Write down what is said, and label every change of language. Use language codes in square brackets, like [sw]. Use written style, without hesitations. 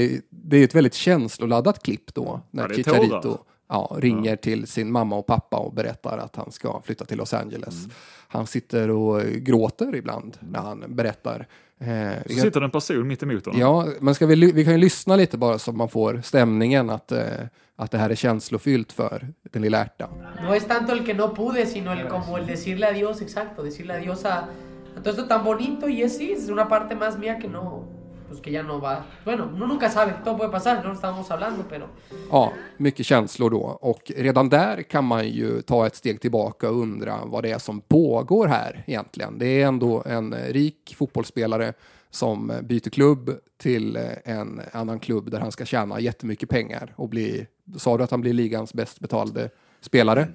[sv] Det är ett väldigt känsloladdat klipp då, när ja, Chicharito ringer till sin mamma och pappa och berättar att han ska flytta till Los Angeles. Han sitter och gråter ibland när han berättar. Så sitter en person mitt emot honom. Ja, men ska vi kan ju lyssna lite bara så man får stämningen att det här är känslofyllt för den lilla ärta. [es] No es tanto el que no pude, sino el como el decirle adiós, exacto, decirle adiós a todo esto tan bonito, y es sí, es una parte más mía que no, pues que ya no va. Bueno, uno nunca sabe, todo puede pasar, no estábamos hablando, pero [sv] ja, mycket känslor då, och redan där kan man ju ta ett steg tillbaka och undra vad det är som pågår här egentligen. Det är ändå en rik fotbollsspelare som byter klubb till en annan klubb där han ska tjäna jättemycket pengar och bli, sa du att han blir ligans bäst betalde spelare?